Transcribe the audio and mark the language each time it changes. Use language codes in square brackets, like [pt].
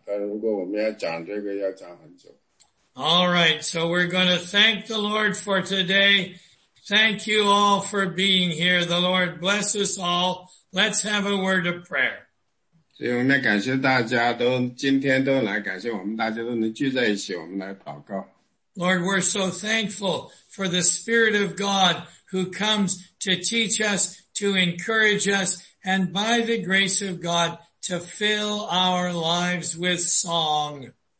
[zh] 这不是一个完整的，也不是一个简单的答案。但如果我们要讲这个，要讲很久。 [en] All right, so we're going to thank the Lord for today. Thank you all for being here. The Lord bless us all. Let's have a word of prayer. [zh] 所以我们感谢大家都今天都来感谢我们大家都能聚在一起，我们来祷告。 [en] Lord, we're so thankful for the Spirit of God who comes to teach us, to encourage us, and by the grace of God, to fill our lives with song.